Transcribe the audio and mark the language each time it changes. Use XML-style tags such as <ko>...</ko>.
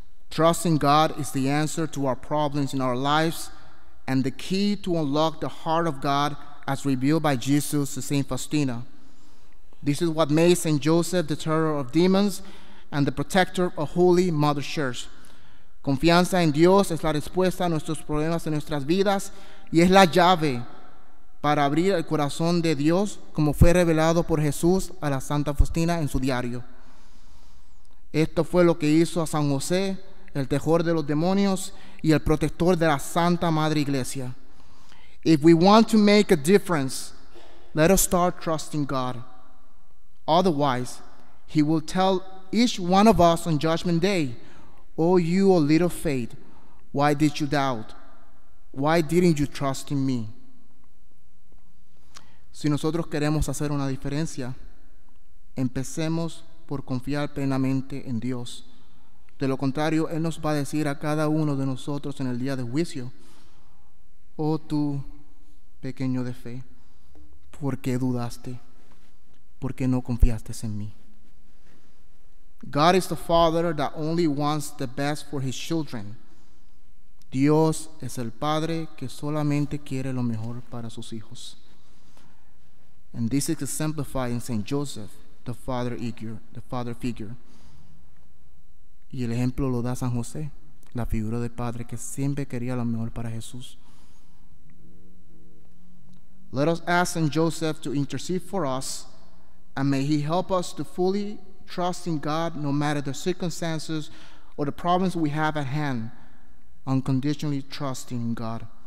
<en>Trusting God is the answer to our problems in our lives and the key to unlock the heart of God as revealed by Jesus to Saint Faustina. This is what made Saint Joseph the terror of demons and the protector of Holy Mother Church.</en> <es>Confianza en Dios es la respuesta a nuestros problemas en nuestras vidas y es la llave para abrir el corazón de Dios, como fue revelado por Jesús a la Santa Faustina en su diario. Esto fue lo que hizo a San José el terror de los demonios y el protector de la Santa Madre Iglesia.</es> <en>If we want to make a difference, let us start trusting God. Otherwise, He will tell each one of us on Judgment Day, "Oh, you of little faith, why did you doubt? Why didn't you trust in me?"</en> <es>Si nosotros queremos hacer una diferencia, empecemos por confiar plenamente en Dios. De lo contrario, Él nos va a decir a cada uno de nosotros en el día de juicio, "Oh tú, pequeño de fe, ¿por qué dudaste? ¿Por qué no confiaste en mí?"</es> <en>God is the Father that only wants the best for His children.</en> <es>Dios es el Padre que solamente quiere lo mejor para sus hijos.</es> <en>And this is exemplified in Saint Joseph, the father figure.</en> <es>Y el ejemplo lo da San José, la figura del padre que siempre quería lo mejor para Jesús.</es> <en>Let us ask Saint Joseph to intercede for us, and may he help us to fully trust in God no matter the circumstances or the problems we have at hand, unconditionally trusting in God.</en>